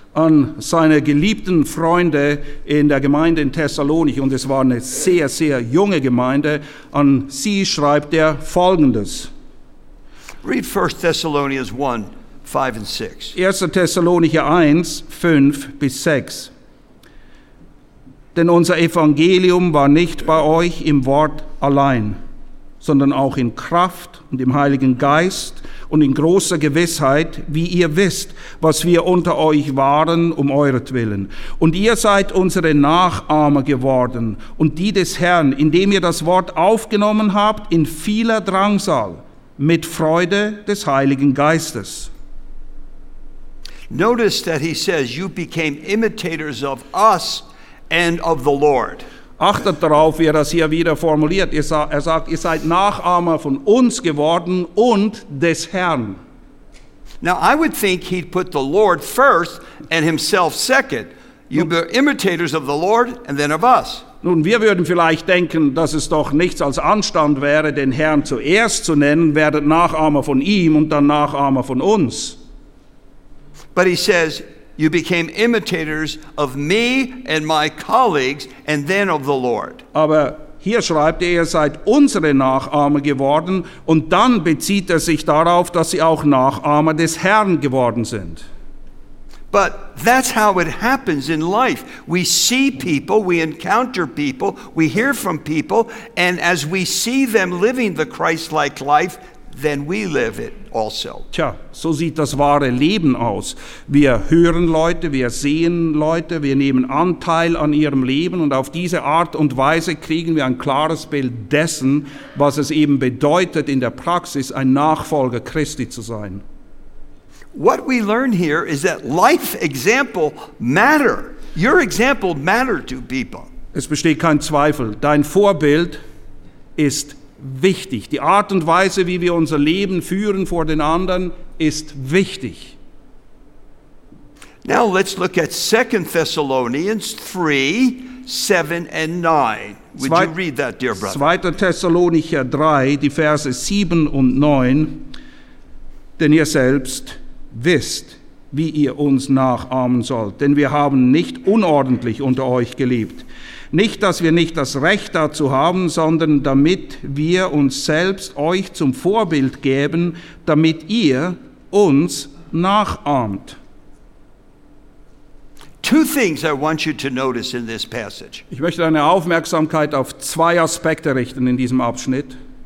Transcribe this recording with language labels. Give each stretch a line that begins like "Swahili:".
German: An seine geliebten Freunde in der Gemeinde in Thessaloniki, und es war eine sehr, sehr junge Gemeinde, an sie schreibt er Folgendes.
English: Read 1 Thessalonians 1, 5 and 6.
German: 1. Thessalonicher 1, 5 bis 6. Denn unser Evangelium war nicht bei euch im Wort allein, sondern auch in Kraft und im Heiligen Geist und in großer Gewissheit, wie ihr wisst, was wir unter euch waren um euretwillen. Und ihr seid unsere Nachahmer geworden und die des Herrn, indem ihr das Wort aufgenommen habt in vieler Drangsal, mit Freude des Heiligen Geistes.
English: Notice that he says, you became imitators of us and of the Lord.
German: Achtet darauf, wie er das hier wieder formuliert. Er sagt, ihr seid Nachahmer von uns geworden und des Herrn.
English: Now I would think he'd put the Lord first and himself second. You were imitators of the Lord and then of us.
German: Nun, wir würden vielleicht denken, dass es doch nichts als Anstand wäre, den Herrn zuerst zu nennen, werdet Nachahmer von ihm und dann Nachahmer von uns.
English: But he says, you became imitators of me and my colleagues and then of the Lord.
German: Aber hier schreibt er, ihr seid unsere Nachahmer geworden, und dann bezieht er sich darauf, dass sie auch Nachahmer des Herrn geworden sind.
English: But that's how it happens in life. We see people, we encounter people, we hear from people, and as we see them living the Christ-like life, then we live it also.
German: Tja, so sieht das wahre Leben aus. Wir hören Leute, wir sehen Leute, wir nehmen Anteil an ihrem Leben, und auf diese Art und Weise kriegen wir ein klares Bild dessen, was es eben bedeutet, in der Praxis ein Nachfolger Christi zu sein.
English: What we learn here is that life example matter. Your example matter to people.
German: Es besteht kein Zweifel, dein Vorbild ist wichtig. Die Art und Weise, wie wir unser Leben führen vor den anderen, ist wichtig.
English: Now let's look at 2 Thessalonians 3, 7 and 9. Would you read that, dear brother?
German: 2. Thessalonicher 3, die Verse 7 und 9. Denn ihr selbst wisst, wie ihr uns nachahmen sollt. Denn wir haben nicht unordentlich unter euch gelebt. Nicht, dass wir nicht das Recht dazu haben, sondern damit wir uns selbst euch zum Vorbild geben, damit ihr uns nachahmt.
English: Two things I want you to notice in this passage.
German: Ich möchte deine Aufmerksamkeit auf zwei Aspekte richten in diesem Abschnitt.